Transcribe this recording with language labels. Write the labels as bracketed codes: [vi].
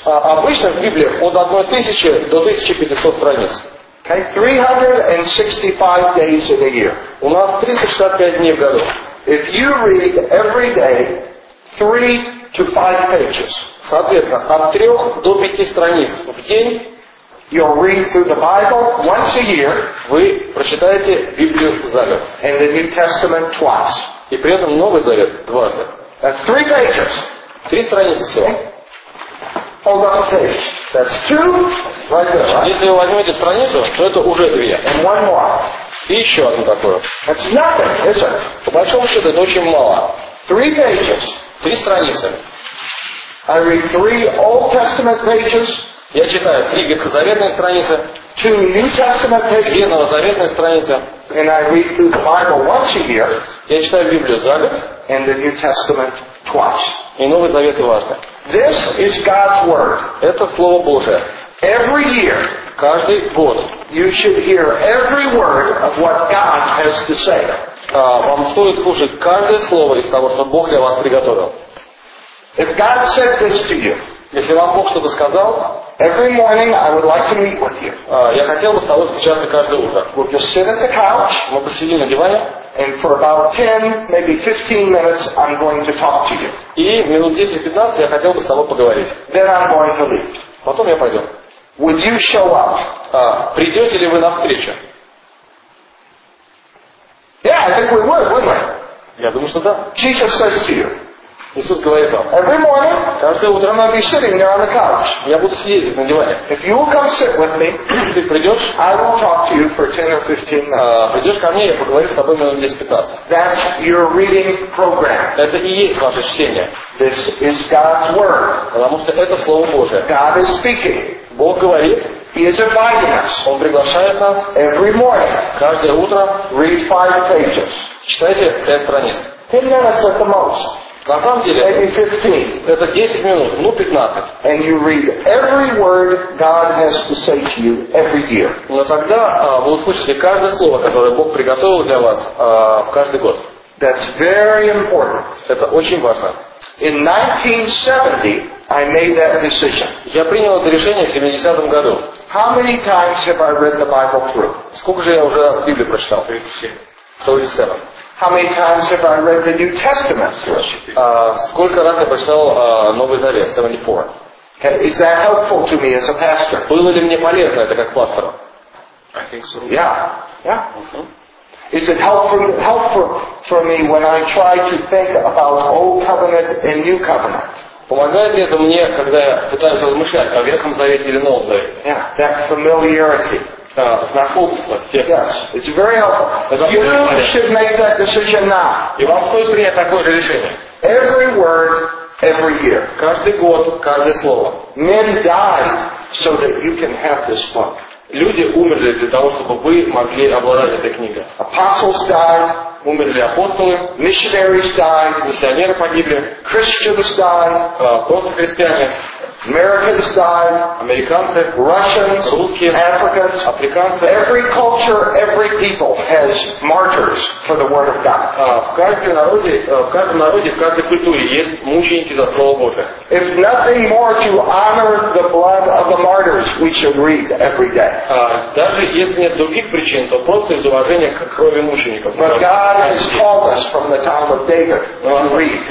[ru] Обычно в Библии от 1000 до 1500 страниц. [en] Okay, 365 days in a year. [ru] У нас 365 дней в году. [en] If you read every day 3 to 5 pages. [ru] Соответственно, от 3 до 5 страниц в день. [en] You'll read through the Bible once a year. [ru] Вы прочитаете Библию за год. [en] And the New Testament twice. [ru] И при этом Новый Завет дважды. [en] That's 3 pages. [ru] Три страницы всего. [en] Hold on a page. That's two. Right there, right? [ru] Если вы возьмете страницу, то это уже две. [en] And one more. [ru] И еще одно такое. [en] That's nothing, is it? [ru] По большому счету, это очень мало. [en] Three pages. [ru] Три страницы. [en] I read three Old Testament pages. [ru] Я читаю три ветхозаветные страницы. [en] Two New Testament pages. [ru] Две новозаветные страницы. [en] And I read through the Bible once a year. [ru] Я читаю Библию за год. [en] And the New Testament twice. [ru] И Новый Завет важно. [en] This is God's word. [ru] Это Слово Божие. [en] Every year, [ru] каждый год, [en] you should hear every word of what God has to say. [ru] Вам стоит слушать каждое слово из того, что Бог для вас приготовил. [en] If God said this to you, [ru] если вам Бог что-то сказал, [en] every morning I would like to meet with you. [ru] Я хотел бы с тобой встречаться каждое утро. [en] We'll just sit at the couch. [ru] Мы посидим на диване. [en] And for about 10, maybe 15 minutes, I'm going to talk to you. [ru] И минут 10-15 я хотел бы с тобой поговорить. [en] Then I'm going to leave. [ru] Потом я пойду. [en] Would you show up? [ru] Придете ли вы на встречу? [en] Yeah, I think we would, wouldn't we? [ru] Я думаю, что да. [en] Jesus says to you. [ru] Иисус говорит вам. [en] Every morning, [ru] каждое утро [en] I'll be sitting there on the couch. [ru] Я буду сидеть на диване. [en] If you will come sit with me, [ru] если ты придешь, [en] I will talk to you for 10 or 15 minutes. [ru] Придешь ко мне, я поговорю с тобой минут 10-15. [en] That's your reading program. [ru] Это и есть ваше чтение. [en] This is God's word. [ru] Потому что это Слово Божие. [en] God is speaking. [ru] Бог говорит. [en] He is inviting us. [ru] Он приглашает нас. [en] Every morning. [ru] Каждое утро. [en] Read 5 pages. [ru] Читайте 5 страниц. [en] 10 minutes at the most. [ru] На самом деле, [en] maybe 15. [ru] Это 10 минут, ну 15. [en] And you read every word God has to say to you every year. [ru] Но тогда вы услышите каждое слово, которое Бог приготовил для вас каждый год. [en] That's very important. [ru] Это очень важно. [en] In 1970, I made that decision. [ru] Я принял это решение в 70-м году. [en] How many times have I read the Bible through? [ru] Сколько же я уже раз Библию прочитал? [en] 37. How many times have I read the New Testament? [ru] Сколько раз я прочитал Новый Завет? [en] 74. Okay. Is that helpful to me as a pastor? [ru] Было ли мне полезно это как пастору? [en] I think so. Yeah. Yeah. Mm-hmm. Is it helpful for me when I try to think about Old Covenant and New Covenant? [ru] Помогает ли это мне, когда я пытаюсь размышлять о Ветхом Завете или Новом Завете? [en] Yeah, that familiarity. [ru] Знакомство с тем. [en] Yes, it's very helpful. You should make that decision now. [ru] И вам стоит принять такое решение. [en] Every word, every year. [ru] Каждый год, каждое слово. [en] Men died so that you can have this book. [ru] Люди умерли для того, чтобы вы могли обладать этой книгой. [en] Apostles died. [ru] Умерли апостолы. [en] Missionaries died. [ru] Миссионеры погибли. [en] Christians died. [ru] Просто христиане. [en] Americans died. [ru] Американцы. [en] Russians. [ru] Русские. [en] Africans. [ru] Африканцы. [en] Every culture, every people has martyrs for the word of God. [ru] В каждом народе, в каждой культуре есть мученики за слово Божие. [en] If nothing more to honor the blood of the martyrs, we should read every day. [ru] Даже если нет других причин, то просто из уважения к крови мучеников. [en] But God has called us from the time of David to read.